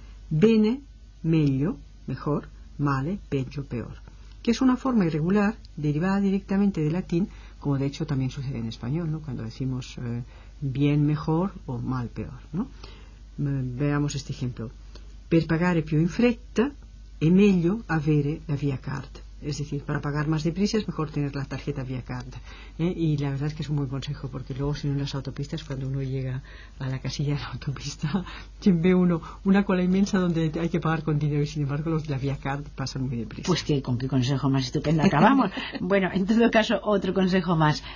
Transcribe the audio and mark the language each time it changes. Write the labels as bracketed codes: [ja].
[it] Bene, meglio, mejor, male, peggio, peor. [es] Que es una forma irregular derivada directamente del latín, como de hecho también sucede en español, ¿no? Cuando decimos bien, mejor o mal, peor, ¿no? Veamos este ejemplo. [it] Per pagare più in fretta è meglio avere la via card. [es] Es decir, para pagar más deprisa es mejor tener la tarjeta via card. Y la verdad es que es un buen consejo, porque luego si no en las autopistas, cuando uno llega a la casilla de la autopista, ve uno una cola inmensa donde hay que pagar con dinero y sin embargo los de la via card pasan muy deprisa. Pues que con qué consejo más estupendo acabamos. Bueno, en todo caso, otro consejo más.